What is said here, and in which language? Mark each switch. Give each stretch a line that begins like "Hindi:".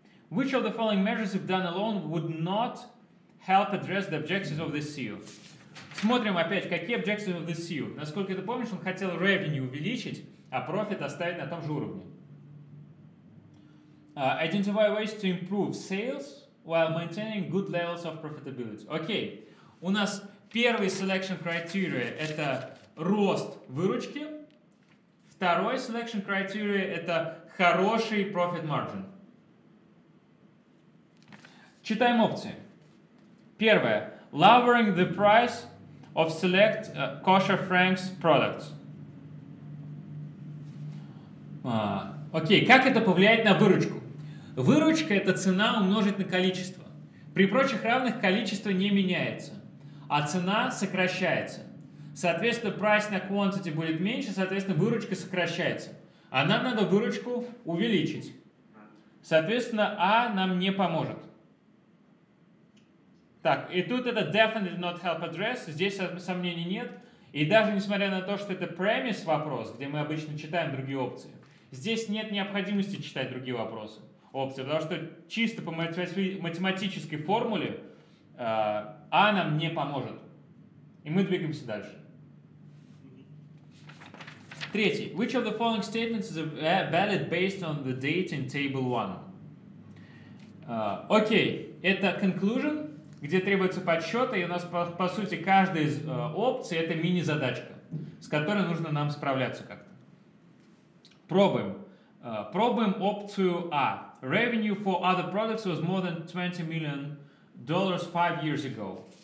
English: Which of the following measures, if done alone, would not help address the objectives of the CEO?
Russian: Смотрим опять, какие
English: objectives of the CEO.
Russian: Насколько ты помнишь, он хотел revenue увеличить, а profit оставить на том же уровне.
English: Identify ways to improve sales while maintaining good levels of profitability. Окей.
Russian: У нас первый selection criteria – это рост выручки. Второй selection criteria – это хороший profit margin. Читаем опции. Первое.
English: Lowering the price of select kosher franks products.
Russian: Окей. Как это повлияет на выручку? Выручка – это цена умножить на количество. При прочих равных количество не меняется, а цена сокращается. Соответственно, price на quantity будет меньше, соответственно, выручка сокращается. А нам надо выручку увеличить. Соответственно, А нам не поможет. Так, и тут это
English: definitely not help address,
Russian: здесь сомнений нет. И даже несмотря на то, что это premise вопрос, где мы обычно читаем другие опции, здесь нет необходимости читать другие вопросы. Опция, потому что чисто по математической формуле А нам не поможет. И мы двигаемся дальше. Третий.
English: Which of the following statements is valid based on the data in table 1?
Russian: Окей. Это conclusion, где требуется подсчет, и у нас по сути каждая из опций это мини-задачка, с которой нужно нам справляться как-то. Пробуем. Пробуем опцию А.
English: Revenue for other products was more than $20 million 5 years ago.